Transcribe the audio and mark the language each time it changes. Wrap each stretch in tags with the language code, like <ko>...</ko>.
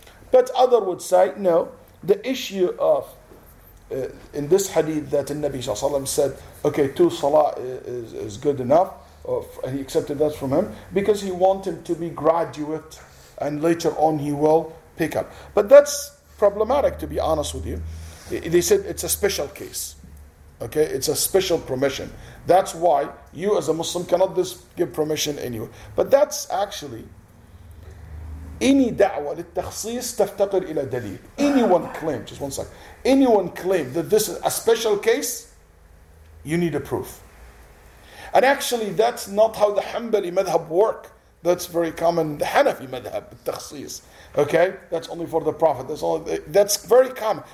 <en>But other would say, no, the issue of in this hadith that Nabi Sallallahu Alaihi said, okay, two salah is good enough, and he accepted that from him because he wants him to be graduate and later on he will pick up. But that's problematic, to be honest with you. They said it's a special case. Okay, it's a special permission. That's why you as a Muslim cannot just give permission anyway. But that's actually, any da'wah</en> <ar>للتخصيص تفتقر إلى دليل.</ar> <en>Anyone claim, just one second, anyone claim that this is a special case, you need a proof. And actually, that's not how the Hanbali madhab work. That's very common in the Hanafi madhab, takhsis. Okay? That's only for the Prophet. That's very common.</en>